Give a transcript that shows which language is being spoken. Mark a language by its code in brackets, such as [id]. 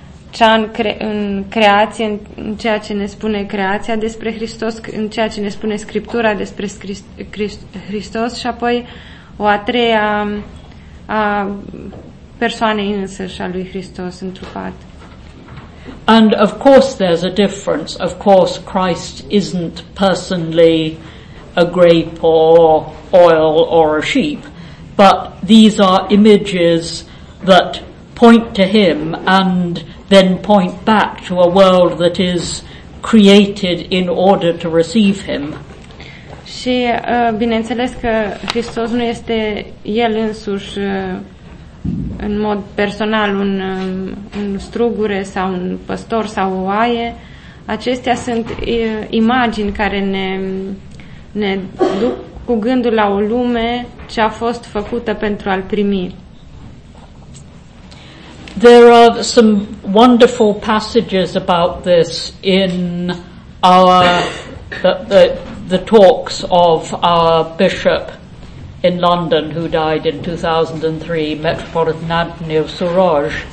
[ro] Cea în creație, în ceea ce ne spune creația despre Hristos, în ceea ce ne spune Scriptura despre Hristos și apoi o a treia a persoanei însăși a lui Hristos întrupat. [en] And of course there's a difference. Of course Christ isn't personally a grape or oil or a sheep, but these are images that point to him and then point back to a world that is created in order to receive him. [ro] Și bineînțeles că Hristos nu este el însuși în mod personal un strugure sau un păstor sau o oaie. Acestea sunt imagini care ne duc cu gândul la o lume ce a fost făcută pentru a-l primi. [en] There are some wonderful passages about this in our the talks of our bishop in London, who died in 2003, Metropolitan Anthony of Sourage,